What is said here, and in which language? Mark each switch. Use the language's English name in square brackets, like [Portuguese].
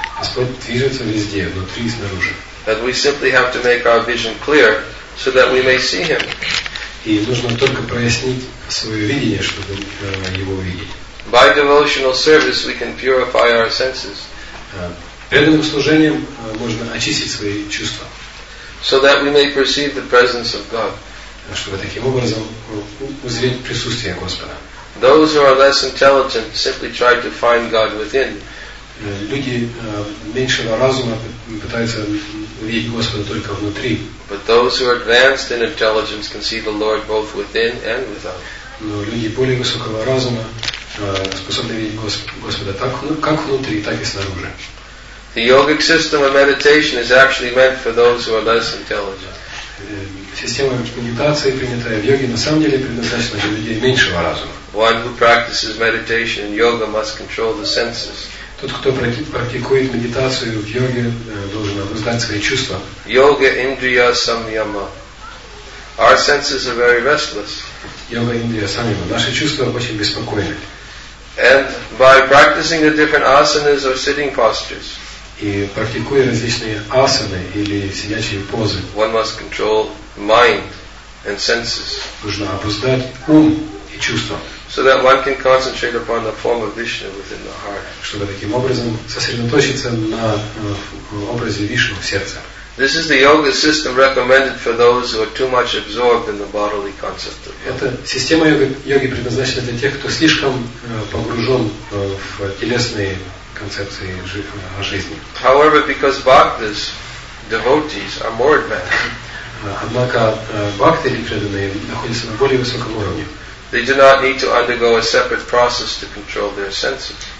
[Russian] Господь движется везде, внутри и снаружи. [English] And we simply have to make our vision clear so that we may see him. [Russian] И нужно только прояснить свое видение, чтобы его видеть. [English] By devotional service we can purify our senses. [Russian] Преданным служением можно очистить свои чувства. [English] So that we may perceive the presence of God. [Russian] Чтобы таким образом узреть присутствие Господа. [English] Those who are less intelligent simply try to find God within. [Russian] Люди меньшего разума пытаются увидеть Господа только внутри. [English] But those who are advanced in intelligence can see the Lord both within and without. [Russian] Но люди более высокого разума способны видеть Господа так, ну, как внутри, так и снаружи. [English] The yogic system of meditation is actually meant for those who are less intelligent. [Russian] Система медитации, принятая в йоге, на самом деле предназначена для людей меньшего разума. [English] One who practices meditation and yoga must control the senses. [Russian] Тот, кто практикует медитацию в йоге, должен обуздать свои чувства. [Sanskrit] Yoga indriya samyama. [English] Our senses are very restless. [Russian] Йога индрия самьяма. Наши чувства очень беспокойны. [English] And by practicing the different asanas or sitting postures. [Russian] И практикуя различные асаны или сидячие позы. [English] One must control mind and senses. [Russian] Нужно обуздать ум. [English] So that one can concentrate upon the form of Vishnu within the heart. [Russian] Чтобы таким образом сосредоточиться на образе Вишну в сердце. [English] This is the yoga system recommended for those who are too much absorbed in the bodily concept of yoga. [Russian] Эта система йоги предназначена для тех, кто слишком погружен в телесные концепции жизни. [English] However, because bhaktas, devotees, are more advanced. [Russian] Однако бхакты или преданные находятся на более высоком уровне. [English] They do not need to undergo a separate process to control their senses.